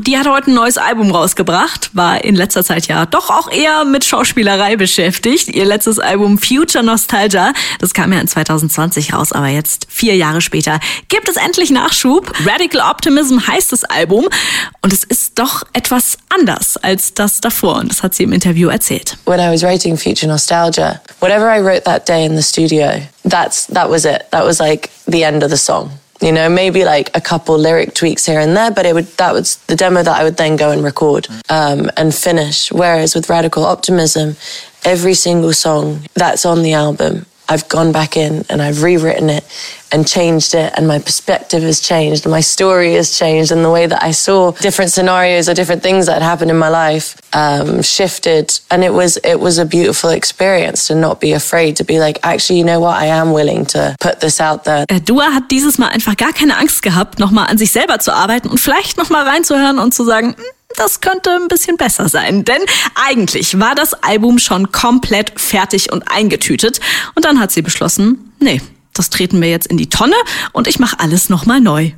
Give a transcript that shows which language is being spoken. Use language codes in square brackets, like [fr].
[de] Die hat heute ein neues Album rausgebracht, war in letzter Zeit ja doch auch eher mit Schauspielerei beschäftigt. Ihr letztes Album Future Nostalgia, das kam ja in 2020 raus, aber jetzt 4 Jahre später gibt es endlich Nachschub. Radical Optimism heißt das Album und es ist doch etwas anders als das davor und das hat sie im Interview erzählt. [en] When I was writing Future Nostalgia, whatever I wrote that day in the studio, that was it. That was like the end of the song. You know, maybe like a couple lyric tweaks here and there, but that was the demo that I would then go and record and finish. Whereas with Radical Optimism, every single song that's on the album, I've gone back in and I've rewritten it and changed it, and my perspective has changed, my story has changed, and the way that I saw different scenarios or different things that had happened in my life shifted. And it was a beautiful experience to not be afraid, to be like, actually, you know what, I am willing to put this out there. [de] Dua hat dieses Mal einfach gar keine Angst gehabt, nochmal an sich selber zu arbeiten und vielleicht nochmal reinzuhören und zu sagen, das könnte ein bisschen besser sein, denn eigentlich war das Album schon komplett fertig und eingetütet. Und dann hat sie beschlossen, nee, das treten wir jetzt in die Tonne und ich mache alles nochmal neu.